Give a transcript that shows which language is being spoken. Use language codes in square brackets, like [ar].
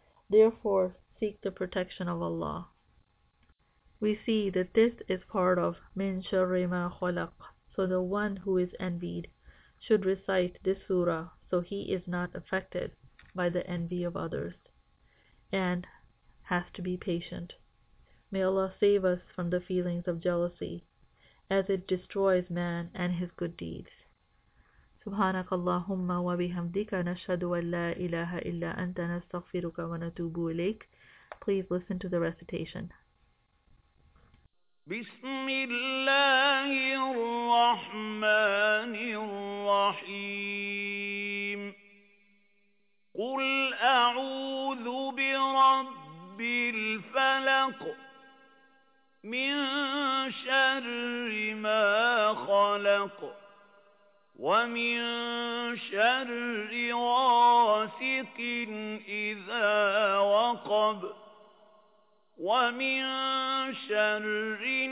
[en] Therefore, seek the protection of Allah. We see that this is part of Min Sharri Ma Khalaq, so the one who is envied should recite this surah so he is not affected by the envy of others and has to be patient. May Allah save us from the feelings of jealousy, as it destroys man and his good deeds. [ar] سبحانك اللهم وبحمدك نشهد أن لا إله إلا أنت نستغفرك ونتوب إليك. [en] Please listen to the recitation. [ar] بسم الله الرحمن الرحيم قل أعوذ برب الفلق من شر ما خلق ومن شر غاسق إذا وقب ومن شر